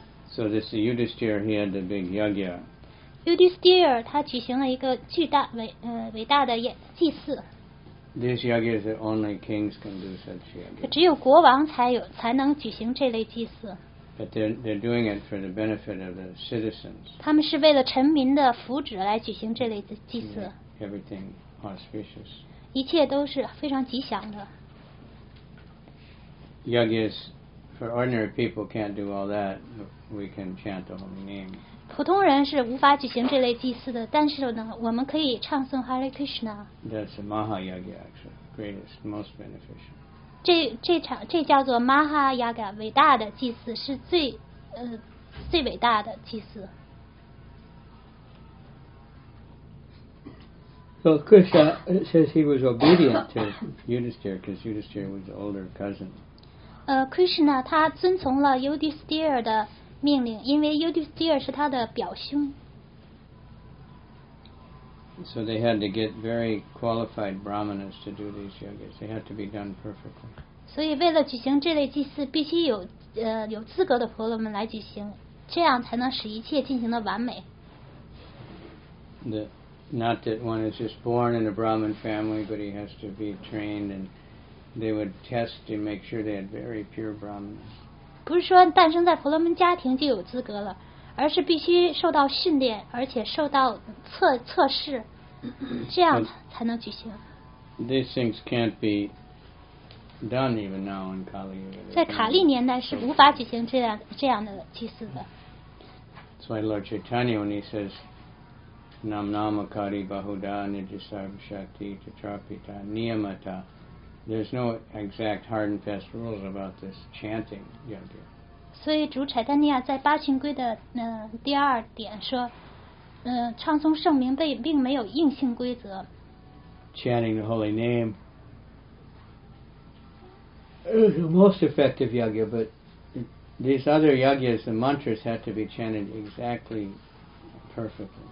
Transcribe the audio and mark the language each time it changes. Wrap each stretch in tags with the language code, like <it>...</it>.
<en>So this is Yudhisthira, he had the big yagya.</en> <zh>Yudhisthira, 他举行了一个巨大 伟大的祭祀。</zh> <en>These yagyas that only kings can do such yagya.</en> <zh>只有国王才能举行这类祭祀。</zh> <en>But they're doing it for the benefit of the citizens.</en> <zh>他们是为了臣民的福祉来举行这类祭祀。</zh> <en>Yeah, everything auspicious.</en> <zh>一切都是非常吉祥的。</zh> <en>Yagyas for ordinary people can't do all that. We can chant the holy name.</en> <zh>普通人是无法举行这类祭祀的，但是呢，我们可以唱诵 Hare Krishna.</zh> <en>That's a Mahayagya, actually, greatest, most beneficial.</en> <zh>这叫做 Mahayagya 伟大的祭祀是最伟大的祭祀。</zh> <en>So Krishna says he was obedient to Yudhisthira because Yudhisthira was the older cousin.</en> <zh>Krishna 他遵从了 Yudhisthira 的命令，因为 Yudhisthira 是他的表兄。</zh> <en>So they had to get very qualified brahmanas to do these yagyas. They had to be done perfectly.</en> <zh>所以为了举行这类祭祀，必须有资格的婆罗门来举行，这样才能使一切进行的完美。</zh> <en>Not that one is just born in a brahman family, but he has to be trained, and they would test to make sure they had very pure brahmanas.</en> <zh>不是说诞生在婆罗门家庭就有资格了。而是必须受到训练，而且受到测试，这样才能举行。</zh> <en>These things can't be done even now in Kali Yuga.</en> <zh>在卡利年代是无法举行这样的祭祀的。</zh> <en>That's why Lord Chaitanya, when he says,</en> <sa>"Nam Nama Kari Bahuda Nijasarva Shakti Tatrapita Niyamata,"</sa> <en>there's no exact hard and fast rules about this chanting yoga.</en> <zh>所以主柴丹尼亚在八行规的第二点说，唱诵圣名并没有硬性规则。</zh> <en>Chanting the holy name is the most effective yagya, but these other yagyas, the mantras have to be chanted exactly perfectly.</en>